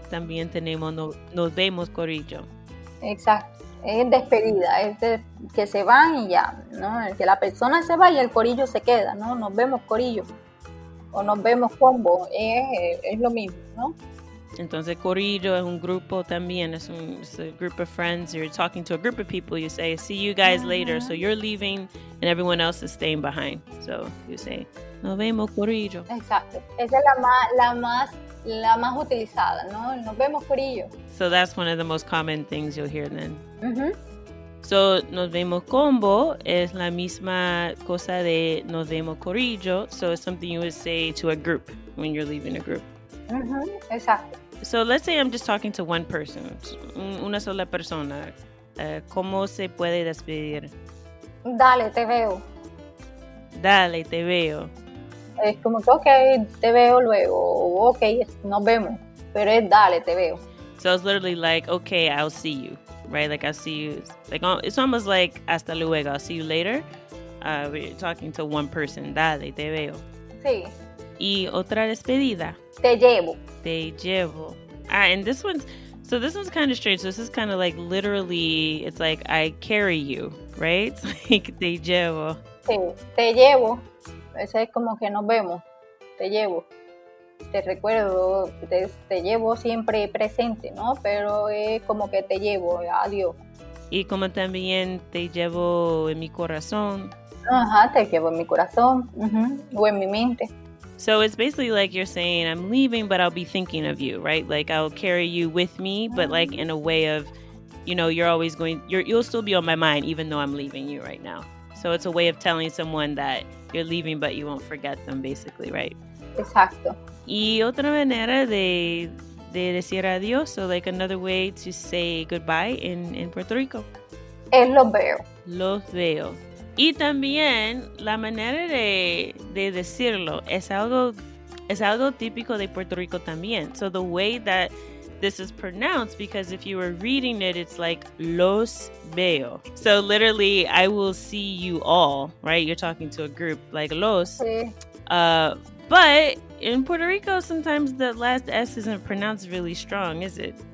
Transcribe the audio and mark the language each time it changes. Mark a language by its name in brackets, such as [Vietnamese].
[Spanish] También tenemos nos vemos, corillo. Exacto. Es despedida. Que se van y ya, ¿no? Que la persona se va y el corillo se queda, ¿no? Nos vemos, corillo. O nos vemos, combo. Es lo mismo, ¿no? Entonces, corillo es un grupo también. [English] It's a group of friends. You're talking to a group of people. You say, see you guys later. So you're leaving and everyone else is staying behind. So you say, [Spanish] nos vemos, corillo. Exacto. Esa es la más utilizada, ¿no? Nos vemos, corillo. [English] So that's one of the most common things you'll hear then. Mm-hmm. So [Spanish] nos vemos, combo es la misma cosa de nos vemos, corillo. [English] So it's something you would say to a group when you're leaving a group. [Spanish] Exacto. [English] So let's say I'm just talking to one person, [Spanish] una sola persona. ¿Cómo se puede despedir? Dale, te veo. Dale, te veo. Es como que, ok, te veo luego. Ok, nos vemos. Pero es dale, te veo. [English] So it's literally like, okay, I'll see you. Right? Like, I'll see you. It's almost like, [Spanish] hasta luego, [English] I'll see you later. We're talking to one person. [Spanish] Dale, te veo. Sí. Y otra despedida. Te llevo. Te llevo. [English] Ah, and this one's kind of strange. So this is kind of like literally, it's like I carry you, right? It's like [Spanish] te llevo. Sí, te llevo. Ese es como que nos vemos. Te llevo. Te recuerdo, te llevo siempre presente, ¿no? Pero es como que te llevo, adiós. Y como también te llevo en mi corazón. Ajá, te llevo en mi corazón. Uh-huh. O en mi mente. [English] So it's basically like you're saying, I'm leaving, but I'll be thinking of you, right? Like, I'll carry you with me, but like in a way of, you know, you're always going, you'll still be on my mind, even though I'm leaving you right now. So it's a way of telling someone that you're leaving, but you won't forget them, basically, right? [Spanish] Exacto. Y otra manera de decir adiós, [English] so like another way to say goodbye in Puerto Rico. [Spanish] Es los veo. Los veo. Y también la manera de decirlo es algo típico de Puerto Rico también. [English] So the way that this is pronounced, because if you were reading it, it's like [Spanish] los veo. [English] So literally, I will see you all, right? You're talking to a group like los. [Spanish] Sí. [English] But in Puerto Rico, sometimes the last S isn't pronounced really strong, is it?